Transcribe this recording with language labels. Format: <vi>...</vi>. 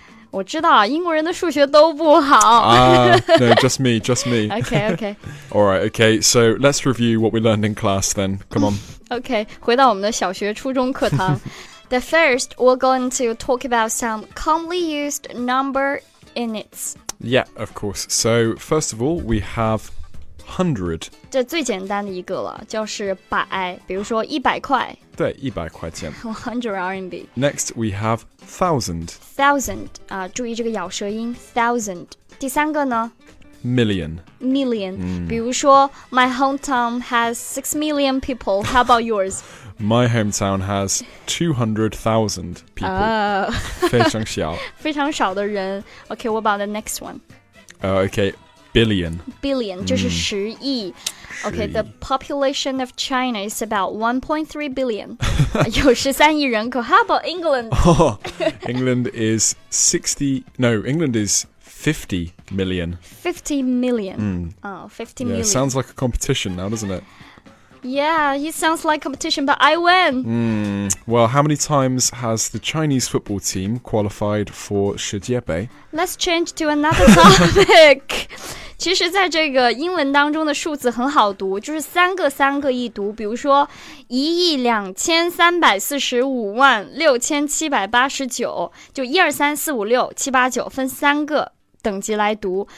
<zh>我知道，英国人的数学都不好。</zh> <en>No, just me, just me. Okay, okay. Alright, okay, so let's review what we learned in class then. Come on.</en> <zh>Okay, 回到我们的小学初中课堂。</zh> <en>The first, we're going to talk about some commonly used number units. Yeah, of course. So, first of all, we have... 100.</en> <zh>这最简单的一个了，就是百，比如说100块。对，100块钱。</zh> <en>100 RMB. Next, we have 1,000.</en> <zh>1,000, 啊，注意这个咬舌音 1,000. 第三个呢？</zh> <en>Million. Million.</en> <zh>比如说</zh> <en>my hometown has 6 million people. How about yours? My hometown has 200,000 people.</en> <zh>非常小。非常少的人。</zh> <en>Okay, what about the next one? Okay. Billion.</en> <zh>Billion, 就是十亿。</zh> <en>Okay, the population of China is about 1.3 billion.</en> <zh>有13亿人口。</zh> <en>How about England? Oh, England is 60... No, England is 50 million. 50 million. Oh, 50 million. Yeah, sounds like a competition now, doesn't it? Yeah, it sounds like competition, but I win. Well, how many times has the Chinese football team qualified for 世界杯? Let's change to another topic.</en> <zh>其实在这个英文当中的数字很好读，就是三个三个一读，比如说1,243,456,789，就1,2,3,4,5,6,7,8,9分三个等级来读。</zh>